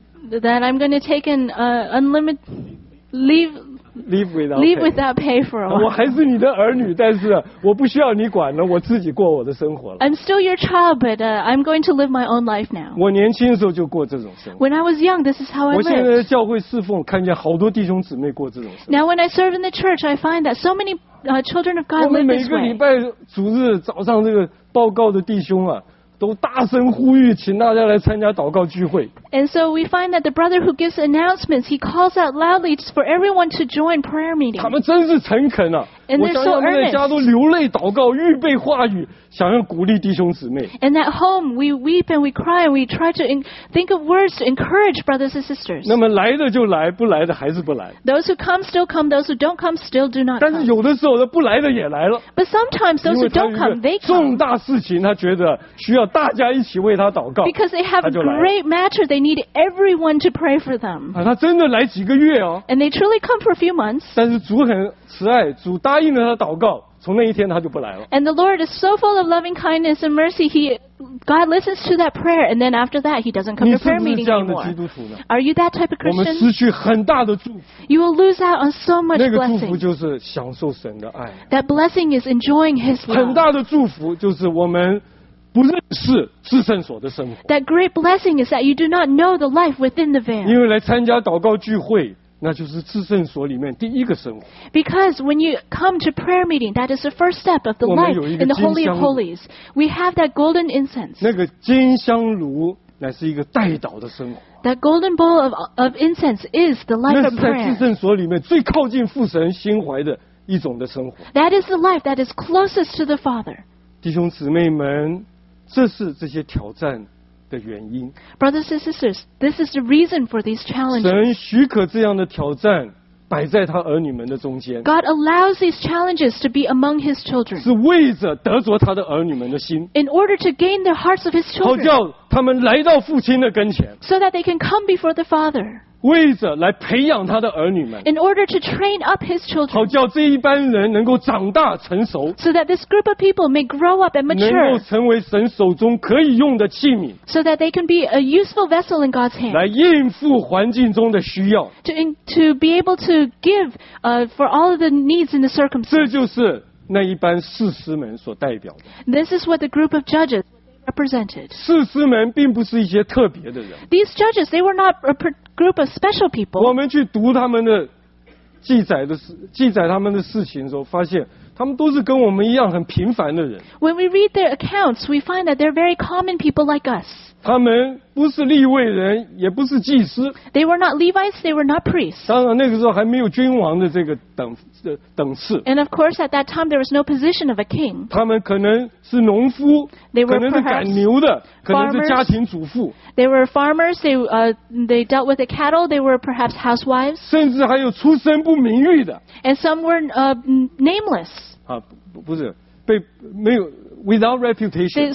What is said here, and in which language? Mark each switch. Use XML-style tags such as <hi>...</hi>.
<en>That I'm going to take an unlimited leave without pay for a while.</en> <zh>我还是你的儿女，但是我不需要你管了，我自己过我的生活了。</zh> <en>I'm still your child, but I'm going to live my own life now.</en> <zh>我年轻的时候就过这种生活。</zh> <en>When I was young, this is how I lived.</en> <zh>我现在在教会侍奉，看见好多弟兄姊妹过这种生活。</zh> <en>Now when I serve in the church, I find that so many children of God live this way.</en> <zh>我们每个礼拜主日早上这个报告的弟兄啊。都大声呼吁，请大家来参加祷告聚会。</zh> <en>And so we find that the brother who gives announcements, he calls out loudly for everyone to join prayer meeting.</en> <zh>他们真是诚恳啊！我想想他们在家都流泪祷告，预备话语，想要鼓励弟兄姊妹。</zh> <en>And at home we weep and we cry and we try to think of words to encourage brothers and sisters.</en> <zh>那么来的就来，不来的还是不来。</zh> <en>Those who come still come, those who don't come still do not come.</en> <zh>但是有的时候他不来的也来了。</zh> <en>But sometimes those who don't come, they come.</en> <zh>重大事情他觉得需要大家一起为他祷告。</zh> <en>Because they have a great matter, they need everyone to pray for them.</en> <zh>他真的来几个月哦。</zh> <en>And they truly come for a few months.</en> <zh>但是主很慈爱，主答应了他祷告。从那一天他就不来了。</zh> <en>And the Lord is so full of loving kindness and mercy, God listens to that prayer, and then after that, he doesn't come to prayer meeting anymore.</en> <zh>你是不是这样的基督徒呢？</zh> <en>Are you that type of Christian?</en> <zh>我们失去很大的祝福。</zh> <en>You will lose out on so much blessing.</en> <zh>那个祝福就是享受神的爱。</zh> <en>That blessing is enjoying his love.</en> <zh>很大的祝福就是我们不认识至圣所的生活。</zh> <en>That great blessing is that you do not know the life within the veil.</en> <zh>因为来参加祷告聚会，那就是至圣所里面第一个生活。</zh> <en>Because when you come to prayer meeting, that is the first step of the life in the Holy of Holies. We have that golden incense.</en> <zh>那个金香炉乃是一个代祷的生活。</zh> <en>That golden bowl of incense is the life of prayer.</en> <zh>那是在至圣所里面最靠近父神心怀的一种的生活。</zh> <en>That is the life that is closest to the Father.</en> <zh>弟兄姊妹们，这是这些挑战的原因。</zh> <en>Brothers and sisters, this is the reason for these challenges.</en> <zh>神许可这样的挑战摆在他儿女们的中间。</zh> <en>God allows these challenges to be among his children.</en> <zh>是为着得着他的儿女们的心。</zh> <en>In order to gain the hearts of his children.</en> <zh>好叫他们来到父亲的跟前。</zh> <en>So that they can come before the Father.</en> <zh>为着来培养他的儿女们</zh> <en>，In order to train up his children，</en> <zh>好叫这一班人能够长大成熟</zh> <en>，So that this group of people may grow up and mature，</en> <zh>能够成为神手中可以用的器皿</zh> <en>，So that they can be a useful vessel in God's hand，</en> <zh>来应付环境中的需要</zh> <en>，To be able to give for all of the needs in the circumstances，</en> <zh>这就是那一班士师们所代表的。</zh> <en>This is what the group of judges. Represented.</en> <zh>士师们并不是一些特别的人。</zh> <en>These judges, they were not a group of special people.</en> <zh>我们去读他们的记载他们的事情的时候，发现他们都是跟我们一样很平凡的人。</zh> <en>When we read their accounts, we find that they're very common people like us.</en> <zh>他们不是利未人，也不是祭司。</zh> <en>They were not Levites, they were not priests.</en> <zh>当然那个时候还没有君王的这个等次。</zh> <en>And of course, at that time, there was no position of a king.</en> <zh>他们可能是农夫</zh> <en>，They were</en> <zh>可能是赶牛的，</zh> <en>farmers,</en> <zh>可能是家庭主妇。</zh> <en>They were farmers. They dealt with the cattle. They were perhaps housewives.</en> <zh>甚至还有出身不名誉的。</zh> <en>And some were nameless.</en> <zh>啊，不是被没有</zh> <en>without reputation.</en>